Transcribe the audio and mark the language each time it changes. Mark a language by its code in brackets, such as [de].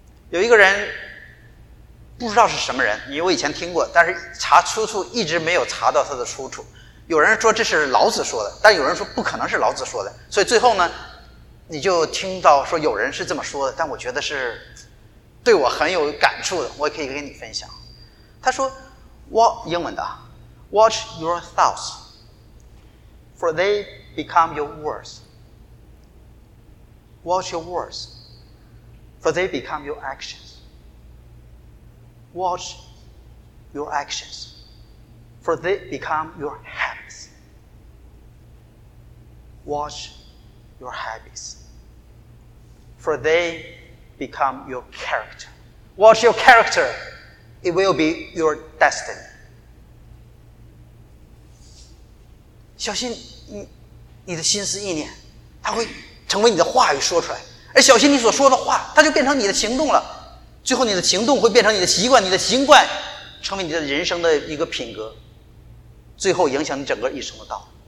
[zh] 有一个人不知道是什么人，因为我以前听过，但是查出处一直没有查到他的出处。有人说这是老子说的，但有人说不可能是老子说的，所以最后呢你就听到说有人是这么说的，但我觉得是对我很有感触的，我也可以跟你分享。他说 英文的 [en] Watch your thoughts for they become your words. Watch your words for they become your actions. Watch your actions for they become your habits. Watch your habits for they become your character. Watch your character, it will be your destiny. [zh] 小心 你的心思意念，它会成为你的话语说出来，而小心你所说的话，它就变成你的行动了，最后你的行动会变成你的习惯，你的习惯成为你的人生的一个品格，最后影响你整个一生的道。